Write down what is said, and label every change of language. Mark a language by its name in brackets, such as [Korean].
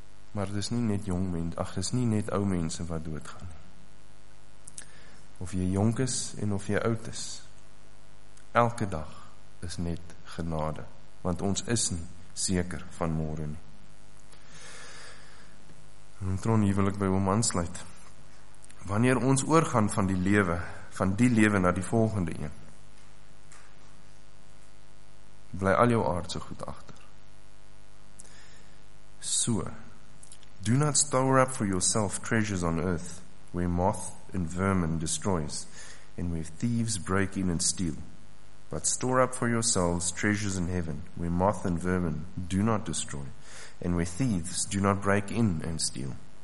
[Afrikaans] Maar dis nie net jong mense, ag, dis nie net ou mense wat doodgaan. Of jy jonk is en of jy oud is, elke dag is net genade, want ons is nie seker van môre nie. En Tron, hier wil ek by hom aansluit. Wanneer ons oorgaan van die lewe, van die lewe na die volgende een, bly al jou aardse goed agter. [English] So, do not store up for yourself treasures on earth, where moth and vermin destroys, and where thieves break in and steal, But store up for yourselves treasures in heaven, where moth and vermin do not destroy, and where thieves do not break in and steal.